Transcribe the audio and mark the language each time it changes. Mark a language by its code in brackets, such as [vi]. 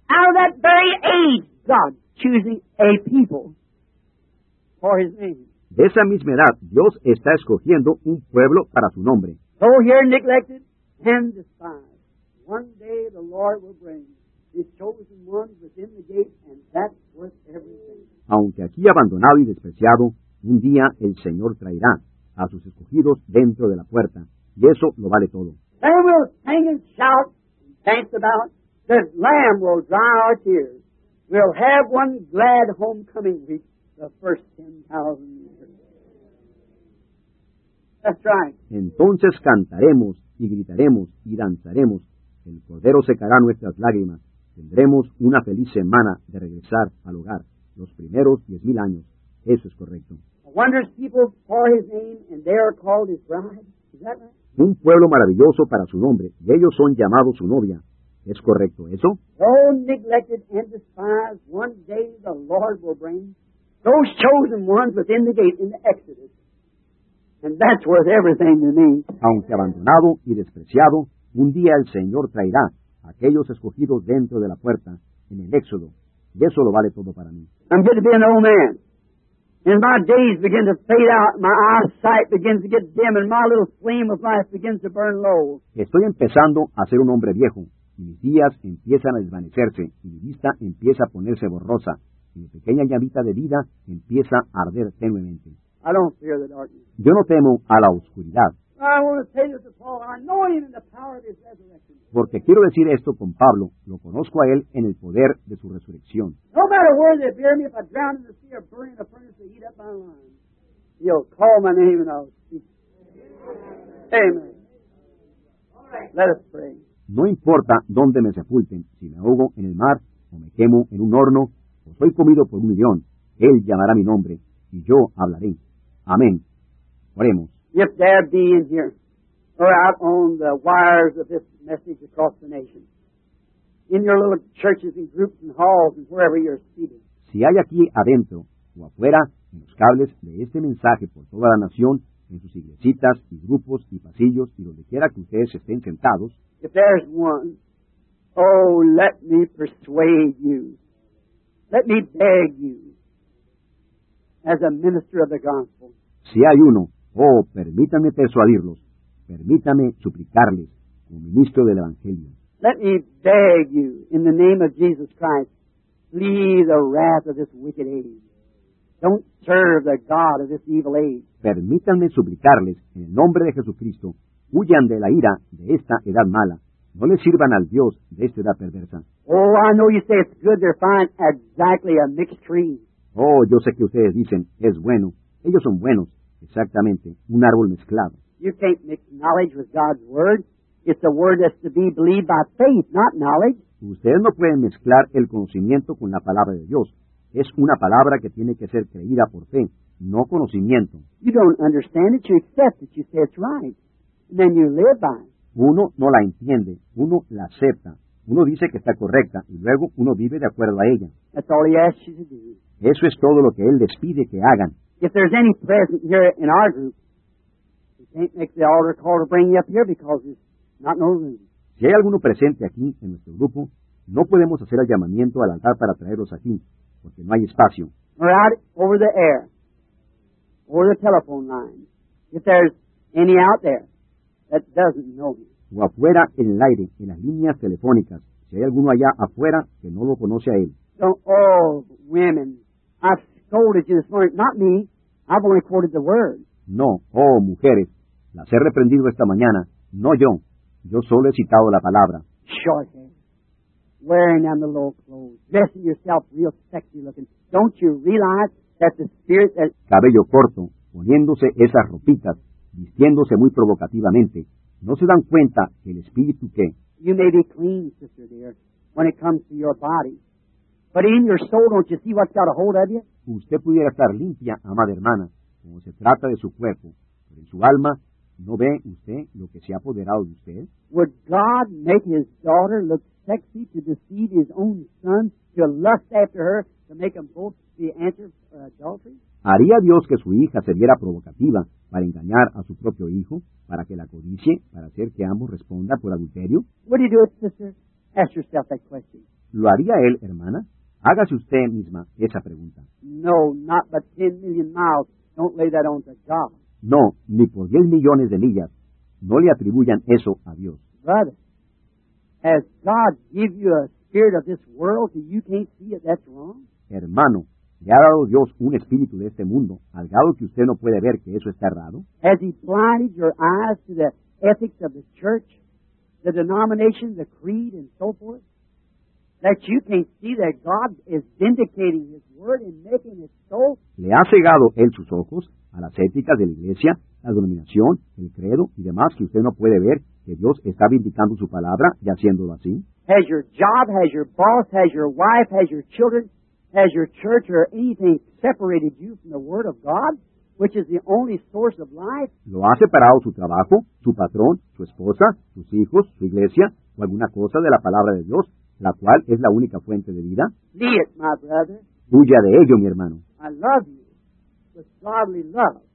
[en] Out of that very age, God. Choosing a people for his name. [es] De esa misma edad, Dios está escogiendo un pueblo para su nombre. [en] Though here neglected and despised, one day the Lord will bring his chosen ones within the gate, and that's worth everything. [es] Aunque aquí abandonado y despreciado, un día el Señor traerá a sus escogidos dentro de la puerta, y eso lo vale todo. [en] They will sing and shout and dance about, the Lamb will dry our tears. We'll have one glad homecoming week the first 10,000 years. That's right. [es] Entonces cantaremos y gritaremos y danzaremos. El Cordero secará nuestras lágrimas. Tendremos una feliz semana de regresar al hogar. Los primeros 10,000 años. Eso es correcto. [en] A wondrous people for his name, and they are called his bride. Is that right? [es] Un pueblo maravilloso para su nombre, y ellos son llamados su novia. ¿Es correcto eso? [en] Though neglected and despised, one day the Lord will bring those chosen ones within the gate in the Exodus. And that's worth everything to me. [es] Aunque abandonado y despreciado, un día el Señor traerá aquellos escogidos dentro de la puerta en el Éxodo. Y eso lo vale todo para mí. [en] I'm going to be an old man. And my days begin to fade out. My eyesight begins to get dim and my little flame of life begins to burn low. [es] Estoy empezando a ser un hombre viejo. Y mis días empiezan a desvanecerse, y mi vista empieza a ponerse borrosa, y mi pequeña llamita de vida empieza a arder tenuemente. [en] I don't fear the darkness. [es] Yo no temo a la oscuridad. [en] I want to say this to Paul. I know him in the power of his resurrection. [es] Porque quiero decir esto con Pablo, lo conozco a él en el poder de su resurrección. [en] No matter where they bear me, if I drown in the sea or burn in a furnace to eat up my lungs, he'll call my name and I'll speak. Amen. All right. Let us pray. [es] No importa dónde me sepulten, si me ahogo en el mar, o me quemo en un horno, o soy comido por un león, él llamará mi nombre, y yo hablaré. Amén. Oremos. [en] If Dad be in here, or out on the wires of this message across the nation, in your little churches and groups and halls and wherever you're seated. [es] Si hay aquí adentro o afuera, en los cables de este mensaje por toda la nación, en sus iglesitas y grupos y pasillos y donde quiera que ustedes estén sentados, [en] if there's one, oh, let me persuade you. Let me beg you as a minister of the gospel. [es] Si hay uno, oh, permítame persuadirlos. Permítame suplicarles como ministro del evangelio. [en] Let me beg you in the name of Jesus Christ, flee the wrath of this wicked age. Don't serve the God of this evil age. [es] permítanme suplicarles, en el nombre de Jesucristo, huyan de la ira de esta edad mala. No le sirvan al Dios de esta edad perversa. [en] Oh, I know you say it's good, they're fine, exactly a mixed tree. [es] Oh, yo sé que ustedes dicen, es bueno, ellos son buenos, exactamente, un árbol mezclado. [en] You can't mix knowledge with God's word. It's the word that's to be believed by faith, not knowledge. [es] Ustedes no pueden mezclar el conocimiento con la palabra de Dios. Es una palabra que tiene que ser creída por fe, no conocimiento. [en] You don't understand it, you accept it, you say it's right, and then you live by it. [es] Uno no la entiende, uno la acepta. Uno dice que está correcta y luego uno vive de acuerdo a ella. [en] That's all he asks you to do. [es] Eso es todo lo que él les pide que hagan. [en] If there's any present here in our group, you can't make the altar call to bring you up here because there's not no room. [es] Si hay alguno presente aquí en nuestro grupo, no podemos hacer el llamamiento al altar para traerlos aquí porque no hay espacio. [en] We're out over the air, over the telephone line. If there's any out there that doesn't know him. [es] O afuera en el aire, en las líneas telefónicas. Si hay alguno allá afuera que no lo conoce a él. [en] Women, I've scolded you this morning. Not me. I've only quoted the word. [es] No, oh, mujeres. Las he reprendido esta mañana. No yo. Yo solo he citado la palabra. [en] Shorthead. Wearing down the low clothes. Dressing yourself real sexy looking. Don't you realize that the spirit that... [es] Cabello corto. Poniéndose esas ropitas. Vistiéndose muy provocativamente. No se dan cuenta que el espíritu que... [en] You may be clean, sister dear, when it comes to your body. But in your soul, don't you see what's got a hold of you? [es] Usted pudiera estar limpia, amada hermana, como se trata de su cuerpo. Pero en su alma, ¿no ve usted lo que se ha apoderado de usted? [en] Would God make his daughter look sexy to deceive his own son, to lust after her, to make them both be answered for adultery? [es] ¿Haría Dios que su hija se viera provocativa para engañar a su propio hijo, para que la codicie, para hacer que ambos respondan por adulterio? [en] What do you do, sister? Ask yourself that question. [es] ¿Lo haría él, hermana? Hágase usted misma esa pregunta. [en] No, not but 10 million miles. Don't lay that on to God. [es] No, ni por 10 millones de millas. No le atribuyan eso a Dios. [en] Brother, has God give you a spirit of this world that you can't see it, that's wrong? [es] Hermano, ¿le ha dado Dios un espíritu de este mundo, al grado que usted no puede ver que eso está errado? [en] Has he blinded your eyes to the ethics of the church, the denomination, the creed, and so forth? That you can't see that God is vindicating his word and making it so? [es] ¿Le ha cegado él sus ojos a las éticas de la iglesia, la denominación, el credo y demás que usted no puede ver que Dios está vindicando su palabra y haciéndolo así? [en] Has your job, has your boss, has your wife, has your children, has your church or anything separated you from the word of God, which is the only source of life? [es] ¿Lo ha separado su trabajo, su patrón, su esposa, sus hijos, su iglesia o alguna cosa de la palabra de Dios, la cual es la única fuente de vida? [en] Lee it, my brother. [es] Huya de ello, mi hermano. [en] I love you with godly love.